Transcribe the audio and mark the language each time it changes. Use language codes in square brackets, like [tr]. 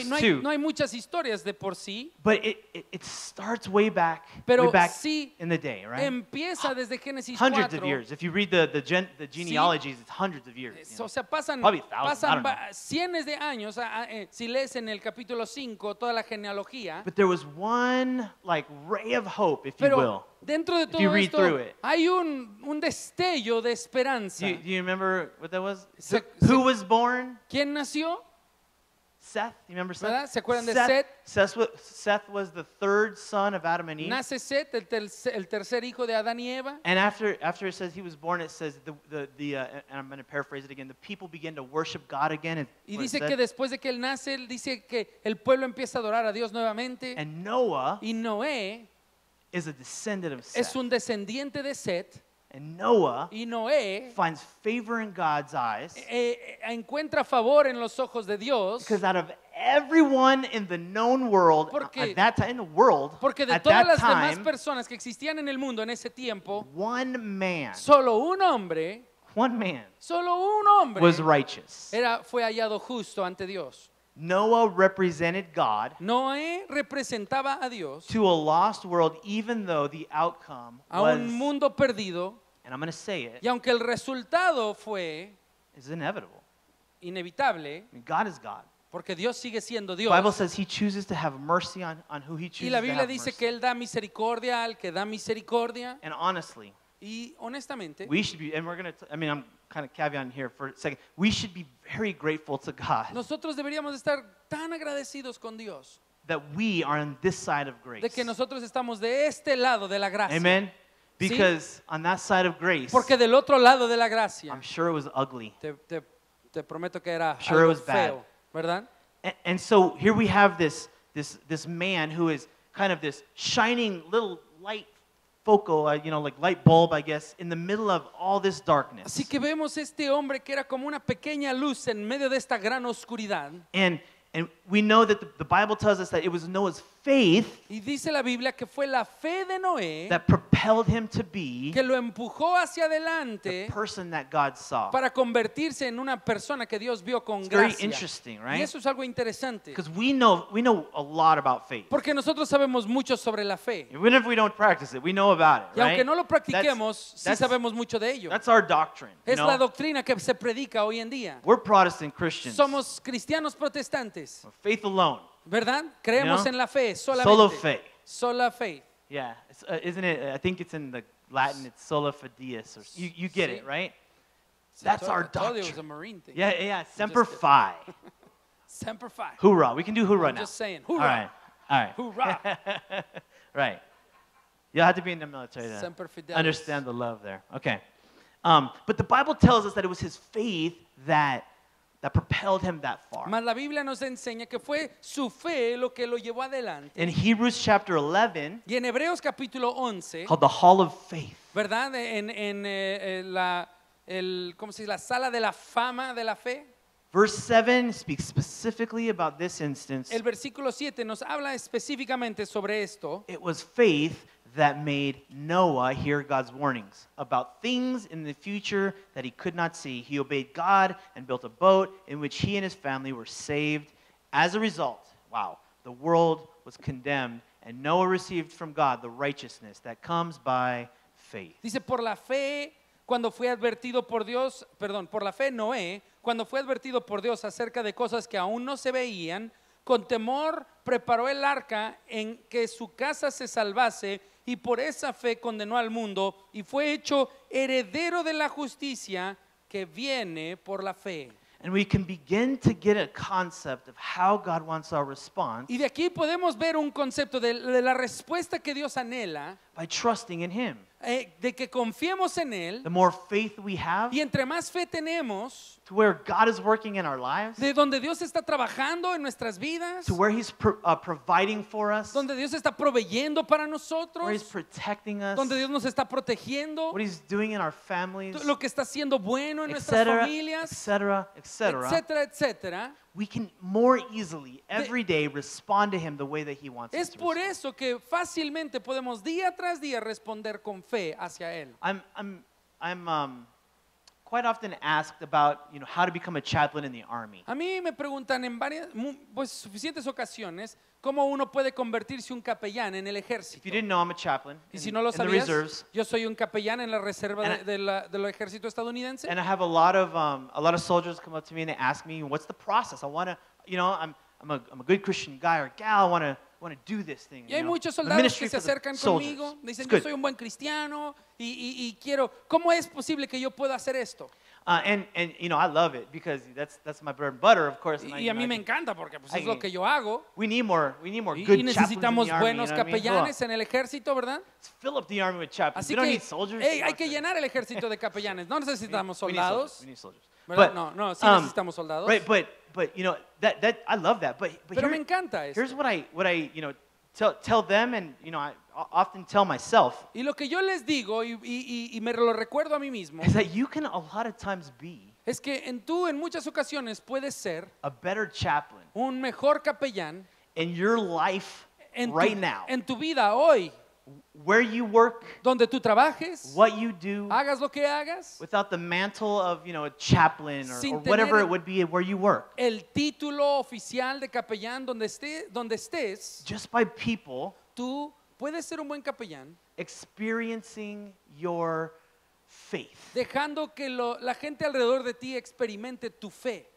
[en] two. [es] No hay muchas historias de por sí. [en] But it starts way back, [es] pero [en] way back [es] sí [en] in the day, right? [es] Empieza desde Génesis 4. [en] Hundreds of years. If you read the genealogies, [es] sí. [en] It's hundreds of years. [es] O sea, pasan, [en] probably thousands, [es] pasan [en] I don't know. [es] Cientos de años, si lees en el capítulo 5 toda la genealogía. [en] But there was one, like, ray of hope, if [es] pero [en] you will. [es] Dentro de todo [en] if you read [es] esto, [en] through it. [es] Hay un destello de esperanza. [en] Do you remember what that was? Who was born? [es] ¿Quién nació? [en] Seth, you remember Seth? [es] ¿Verdad? ¿Se acuerdan de Seth? [en] Seth was the third son of Adam and Eve. [es] Nace Seth, el tercer hijo de Adán y Eva. [en] And after it says he was born, it says and I'm going to paraphrase it again. The people begin to worship God again. [es] Y dice que después de que él nace, dice que el pueblo empieza a adorar a Dios nuevamente. [en] And Noah. [es] Y Noé. [en] Is a descendant of Seth. [es] Es un descendiente de Seth. [en] And Noah [es] y Noé [en] finds favor in God's eyes. [es] Encuentra favor en los ojos de Dios. [en] Because out of everyone in the known world, [es] porque, [en] at that time, in the world, [es] porque de [en] at [es] todas [en] that [es] las [en] time, [es] demás personas que existían en el mundo en ese tiempo, [en] one man, [es] solo un hombre, [en] one man, [es] solo un hombre, [en] was righteous. [es] Fue hallado justo ante Dios. [en] Noah represented God. [es] Noé representaba a Dios. [en] To a lost world, even though the outcome [es] a un mundo perdido, [en] and I'm going to say it, [es] y aunque el resultado fue, [en] is inevitable. [es] Inevitable. [en] I mean, God is God. [es] Porque Dios sigue siendo Dios. [en] The Bible says He chooses to have mercy on who He chooses to have mercy. [es] Y la Biblia dice que él da misericordia al que da misericordia. [en] And honestly, [es] y honestamente, [en] we should be, and we're going to. I mean, I'm kind of caveat here for a second. We should be very grateful to God. [es] Nosotros deberíamos estar tan agradecidos con Dios. [en] That we are on this side of grace. [es] De que nosotros estamos de este lado de la gracia. [en] Amen. Because [es] ¿sí? [en] On that side of grace. [es] Porque del otro lado de la gracia. [en] I'm sure it was ugly. [es] Te prometo que era [en] I'm sure [es] algo [en] it was bad. [es] Feo, ¿verdad? [en] And so here we have this man who is kind of this shining little light. Like light bulb, I guess, in the middle of all this darkness. [es] Así que vemos este hombre que era como una pequeña luz en medio de esta gran oscuridad. [en] And we know that the Bible tells us that it was Noah's faith. [es] Y dice la Biblia que fue la fe de Noé [en] that propelled him to be [es] que lo empujó hacia adelante [en] the person that God saw. [es] Para convertirse en una persona que Dios vio con [en] it's [es] gracia. [en] Very interesting, right? [es] Y eso es algo interesante. [en] Because we know a lot about faith. [es] Porque nosotros sabemos mucho sobre la fe. [en] Even if we don't practice it, we know about it, [es] y aunque [en] right? [es] no lo practiquemos, sí sabemos mucho de ello. [en] That's our doctrine. [es] Es la doctrina que se predica hoy en día. [en] We're Protestant Christians. [es] Somos cristianos protestantes. [en] Faith alone. [es] ¿Verdad? Creemos en la fe solamente. Solo fe. Sola fe. [en] Yeah, isn't it? I think it's in the Latin. It's sola fideus. Or, you get [es] sí. [en] it, right? That's told, our doctrine. I told you it was a Marine thing. Yeah. Semper Fi. Semper Fi. Hoorah. We can do hoorah I'm now. Just saying. Hoorah. All right. Hoorah. Right. You'll have to be in the military then. Semper Fidelis. Understand the love there. Okay. But the Bible tells us that it was his faith that propelled him that far. [es] Mas la Biblia nos enseña que fue su fe lo que lo llevó adelante. [en] In Hebrews chapter 11. [es] Y en Hebreos capítulo 11. [en] Called the Hall of Faith. [es] ¿Verdad? En la el ¿cómo se dice? La sala de la fama de la fe. [en] Verse 7 speaks specifically about this instance. [es] El versículo 7 nos habla específicamente sobre esto. [en] It was faith that made Noah hear God's warnings about things in the future that he could not see. He obeyed God and built a boat in which he and his family were saved. As a result, wow, the world was condemned, and Noah received from God the righteousness that comes by faith. [es] Dice, por la fe, cuando fue advertido por Dios, perdón, por la fe, Noé, cuando fue advertido por Dios acerca de cosas que aún no se veían, con temor preparó el arca en que su casa se salvase y por esa fe condenó al mundo y fue hecho heredero de la justicia que viene por la fe. [en] And we can begin to get a concept of how God wants our response. [es] Y de aquí podemos ver un concepto de la respuesta que Dios anhela. [en] By trusting in Him. [es] De que confiemos en Él. [en] The more faith we have. [es] Y entre más fe tenemos. [en] To where God is working in our lives. [es] De donde Dios está trabajando en nuestras vidas. [en] To where He's providing for us. [es] Donde Dios está proveyendo para nosotros. [en] Where He's protecting us. [es] Donde Dios nos está protegiendo. [en] What He's doing in our families. [es] Lo que está haciendo bueno en nuestras familias. [en] Etc. Etc. [es] Etc. [en] We can more easily every day respond to Him the way that He wants us to. [es] Es por eso que fácilmente podemos día tras día responder con fe hacia Él. [en] I'm quite often asked about, how to become a chaplain in the army. [es] A mí me preguntan en varias, pues suficientes ocasiones, cómo uno puede convertirse un capellán en el ejército. [en] If you didn't know, I'm a chaplain [es] y si no lo sabías, [en] in the reserves. [es] Yo soy un capellán en la reserva del ejército estadounidense. [en] And I have a lot of soldiers come up to me and they ask me, what's the process? I want to, I'm a good Christian guy or gal, I want to do this thing. [es] Y hay muchos soldados que se acercan conmigo, dicen, yo soy un buen cristiano y quiero, ¿cómo es posible que yo pueda hacer esto? [en] And you know, I love it because that's my bread and butter, of course. [es] Y a mí me encanta porque pues es lo que yo hago. [en] We need more good chaplains. [es] Y necesitamos buenos capellanes en el ejército, ¿verdad? [en] Fill up the army with chaplains. We don't need soldiers. [es] Hey, hay que llenar el ejército de capellanes. No necesitamos soldados. [en] We need soldiers. [es] But, no, sí necesitamos soldados. [en] Right, but you know, that I love that. But [es] pero me encanta esto. [en] Here's what I you know tell them, and you know, I often tell myself. [es] Y lo que yo les digo y me lo recuerdo a mí mismo. [en] Is that you can a lot of times be. [es] Es que en muchas ocasiones puedes ser [en] a better chaplain. [es] Un mejor capellán. [en] In your life right now. [es] En tu vida hoy. [en] Where you work, [es] donde tú trabajes, [en] what you do, [es] hagas lo que hagas, [en] without the mantle of, you know, a chaplain or whatever it would be where you work. [es] El título oficial de capellán donde estés, [en] just by people, [es] tú puedes ser un buen capellán, [en] experiencing your faith, [es] dejando que la gente alrededor de ti experimente tu fe.